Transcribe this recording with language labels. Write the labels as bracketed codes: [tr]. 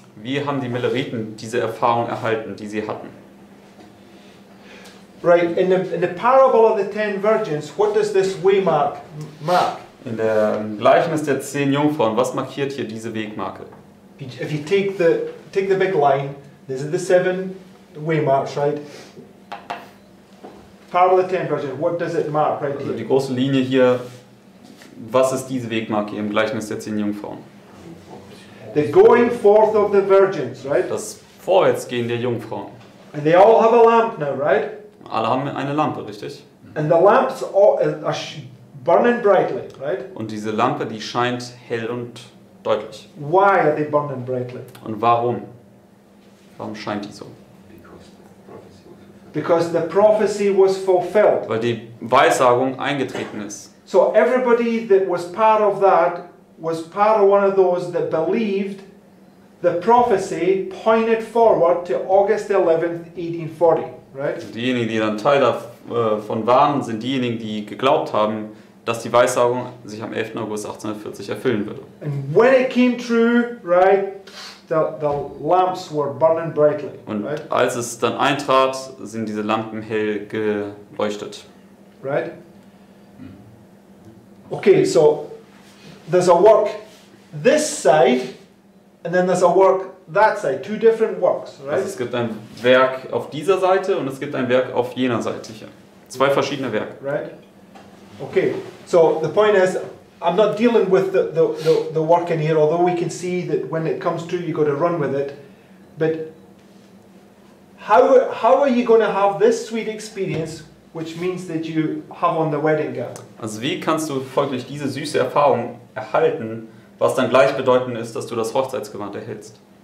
[de] Wie haben die Milleriten diese Erfahrung erhalten, die sie hatten? [en] Right, in the parable of the 10 virgins, what does this waymark mark? [de] In der Gleichnis der 10 Jungfrauen, was markiert hier diese Wegmarke? [en] If you take the big line, these are the 7 waymarks, right? Parable of the 10 virgins, what does it mark right here? [de] Also die große Linie hier, was ist diese Wegmarke im Gleichnis der 10 Jungfrauen? [en] The going forth of the virgins, right? [de] Das Vorwärtsgehen der Jungfrauen. [en] And they all have a lamp now, right? [de] Alle haben eine Lampe, richtig? [en] And the lamps are burning brightly, right? [de] Und diese Lampe, die scheint hell und deutlich. [en] Why are they burning brightly? [de] Und warum? Warum scheint die so? [en] Because the prophecy was fulfilled. [de] Weil die Weissagung eingetreten ist. [en] So everybody that was part of that was part of one of those that believed the prophecy pointed forward to August 11th, 1840. Right. [de] Diejenigen, die dann Teil davon waren, sind diejenigen, die geglaubt haben, dass die Weissagung sich am 11. August 1840 erfüllen würde. [en] And when it came true, right, the lamps were burning brightly. [de] Und [en] right? [de] Als es dann eintrat, sind diese Lampen hell geleuchtet. [en] Right. Okay, so there's a work this side, and then there's a work. That side, two different works, right? [de] Also es gibt ein Werk auf dieser Seite und es gibt ein Werk auf jener Seite hier. Zwei verschiedene Werke. [en] Right. Okay. So the point is, I'm not dealing with the work in here, although we can see that when it comes true, you got to run with it. But how are you going to have this sweet experience, which means that you have on the wedding gown? [de] Also wie kannst du folglich diese süße Erfahrung erhalten, was dann gleichbedeutend ist, dass du das Hochzeitsgewand erhältst?